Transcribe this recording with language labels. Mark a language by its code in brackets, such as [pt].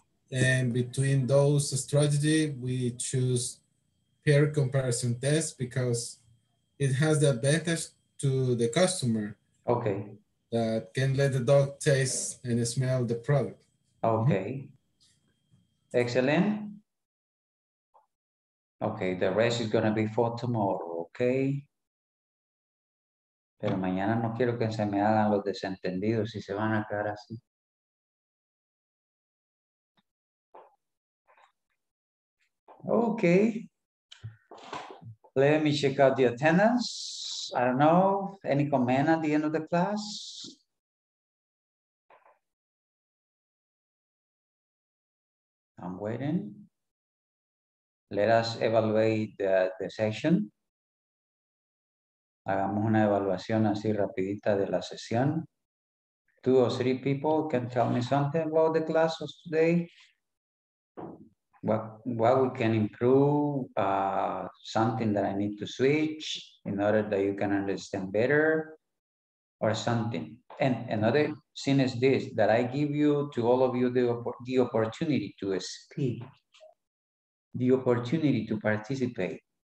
[en] And between those strategies, we choose pair comparison test because it has the advantage to the customer. Okay. That can let the dog taste and smell the product. Okay. Mm-hmm. Excellent. Okay, the rest is gonna be for tomorrow, okay? [es] Pero mañana no quiero que se me hagan los desentendidos y se van a quedar así. [en] Okay. Let me check out the attendance. I don't know. Any comment at the end of the class? I'm waiting. Let us evaluate the session. [es] Hagamos una evaluación así rapidita de la sesión. [en] two or three people can tell me something about the class of today. What we can improve, something that I need to switch in order that you can understand better or something. And another thing is this, that I give you to all of you the opportunity to speak, the opportunity to participate.